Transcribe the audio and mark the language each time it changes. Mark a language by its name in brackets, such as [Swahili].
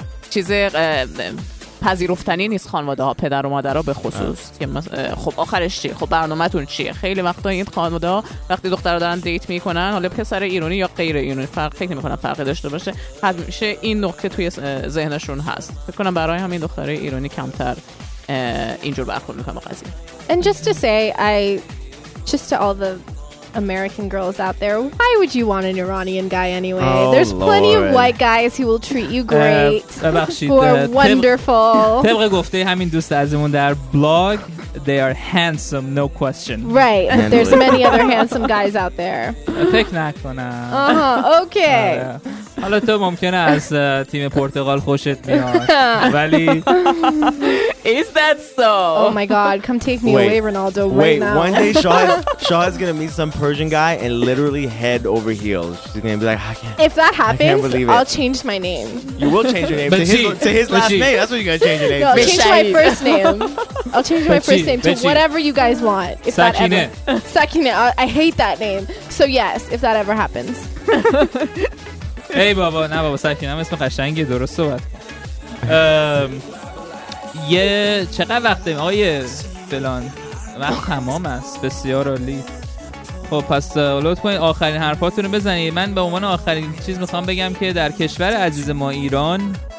[Persian] چیز پذیرفتنی نیست, خانواده ها پدر و مادر ها به خصوص خب آخرش چیه, خب برنامه تون چیه, خیلی وقتا این خانواده ها وقتی دختر رو دارن دیت میکنن حالا پسر ایرانی یا غیر ایرانی فکر میکنن فرقی داشته باشه, همیشه این نکته توی ذهنشون هست, فکر کنم برای همین دختر ایرانی کمتر اینجور برخورد میکنن با قضیه. [English] And just to say just to all the American girls out there, why would you want an Iranian guy anyway? Oh, there's plenty Lord. Of white guys who will treat you great. Who are wonderful. [Persian] طبق گفته همین دوست عزیزمون در بلاگ [English] they are handsome, no question. Right. Handily. There's many other handsome guys out there. [Persian] فکر نکنم. آها. Okay. حالا تو ممکنه از تیم پرتغال خوشت میاد. ولی [English] Is that so? Oh my God, come take me away, Ronaldo. Wait, right now. One day Shaw is going to meet some Persian guy and literally head over heels. She's going to be like, I can't. If that happens, I can't believe it. I'll change my name. You will change your name to his last name. That's what you're going to change your name. No, I'll change my first name. I'll change my first name to whatever you guys want. If Sakine. That ever, Sakine. I hate that name. So yes, if that ever happens. Hey, Baba. No, Baba. Sakine. I'm going to say it correctly. [Persian] یه چقدر وقته آقای فلان وقت تمام است بسیار عالی خب پس لطف کنید آخرین حرفاتون رو بزنید من به عنوان آخرین چیز میخوام بگم که در کشور عزیز ما ایران